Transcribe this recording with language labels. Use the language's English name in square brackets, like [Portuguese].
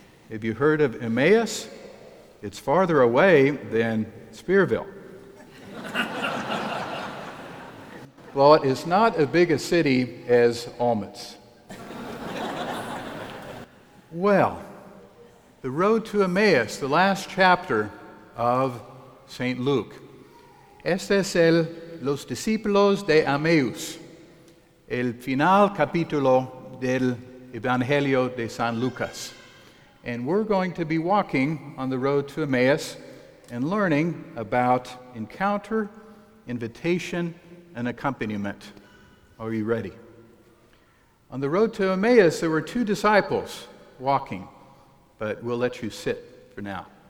[English] Have you heard of Emmaus? It's farther away than Spearville. Well, it's not as big a city as Olmutz. Well, the road to Emmaus, the last chapter of St. Luke. [Spanish] Este es el Los Discípulos de Emmaus, el final capítulo del Evangelio de San Lucas. [English] And we're going to be walking on the road to Emmaus and learning about encounter, invitation, and accompaniment. Are you ready? On the road to Emmaus, there were two disciples walking, but we'll let you sit for now.